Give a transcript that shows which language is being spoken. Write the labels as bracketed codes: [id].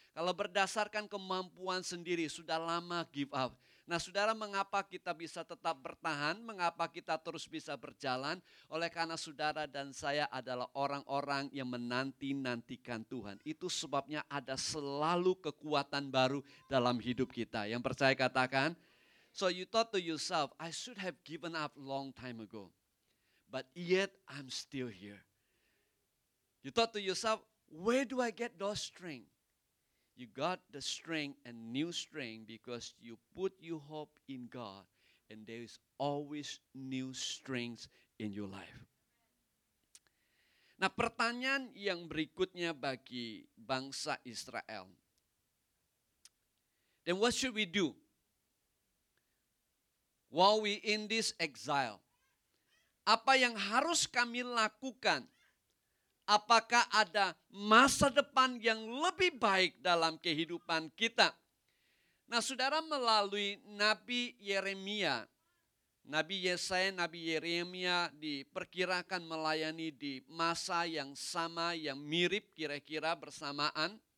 [id] Kalau berdasarkan kemampuan sendiri, sudah lama [en] give up. [id] Nah, saudara, mengapa kita bisa tetap bertahan, mengapa kita terus bisa berjalan? Oleh karena saudara dan saya adalah orang-orang yang menanti-nantikan Tuhan. Itu sebabnya ada selalu kekuatan baru dalam hidup kita. Yang percaya katakan, [en] "So you thought to yourself, I should have given up long time ago, but yet I'm still here. You thought to yourself, where do I get those strength? You got the strength and new strength because you put your hope in God, and there is always new strength in your life." [id] Nah, pertanyaan yang berikutnya bagi bangsa Israel. [en] Then what should we do while we in this exile? [id] Apa yang harus kami lakukan? Apakah ada masa depan yang lebih baik dalam kehidupan kita? Nah, saudara, melalui Nabi Yeremia, Nabi Yesaya, Nabi Yeremia diperkirakan melayani di masa yang sama, yang mirip kira-kira bersamaan.